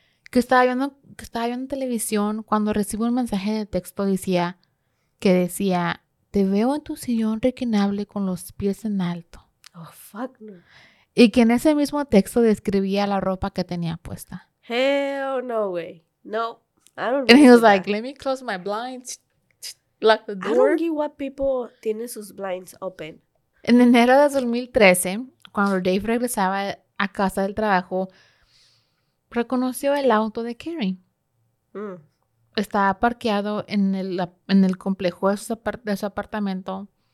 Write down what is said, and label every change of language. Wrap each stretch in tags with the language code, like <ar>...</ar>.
<es>Que estaba viendo televisión cuando recibió un mensaje de texto que decía. Te veo en tu sillón reclinable con los pies en alto.</es> <en>Oh, fuck no.</en> <es>Y que en ese mismo texto describía la ropa que tenía puesta.</es> <en>Hell no way. No. I don't know. And he was like, let me close my blinds. Lock the door. I don't get what people</en> <es>tiene sus</es> <en>blinds open.</en> <es>En enero de 2013, cuando Dave regresaba a casa del trabajo, reconoció el auto de Carrie. Estaba parqueado en el complejo de su apartamento.</es>